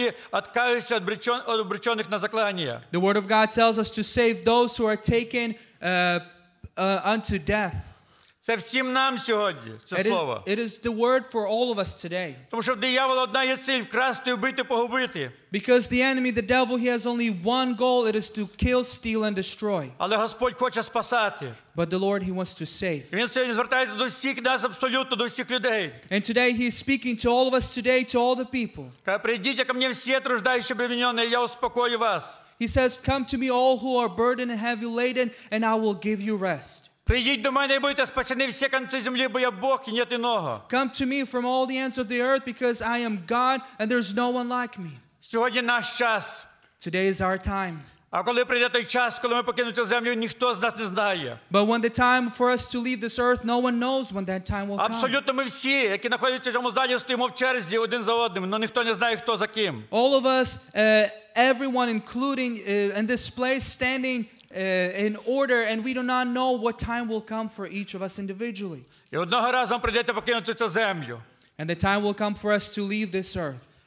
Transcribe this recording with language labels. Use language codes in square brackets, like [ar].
[en] The Word of God tells us to save those who are taken unto death. [uk] Це всім нам сьогодні, це слово. [en] It is the word for all of us today. [uk] Тому що диявол одна є ціль – вкрасти, вбити, погубити. [en] Because the enemy, the devil, he has only one goal, it is to kill, steal, and destroy. [uk] Але Господь хоче спасати. [en] But the Lord, he wants to save. [uk] Він сьогодні звертається до всіх нас абсолютно, до всіх людей. [en] And today he is speaking to all of us today, to all the people. [uk] Прийдіть ко мені всі труждаючі обремененные, я успокою вас. [en] He says, come to me all who are burdened and heavy laden, and I will give you rest. [uk] Прийдіть до мене і будьте спасені всі кінці землі, бо я Бог і ні одного. [en] Come to me from all the ends of the earth because I am God and there's no one like me. [uk] Сьогодні наш час. [en] Today is our time. [uk] А коли прийде той час, коли ми покинемо цю землю, ніхто з нас не знає. [en] But when the time for us to leave this earth, no one knows when that time will come. [uk] Абсолютно ми всі, які знаходяться в цьому залі, стоїмо в черзі один за одним, але ніхто не знає, хто за ким. [en] All of us, everyone including in this place standing in order, and we do not know what time will come for each of us individually. And the time will come for us to leave this earth.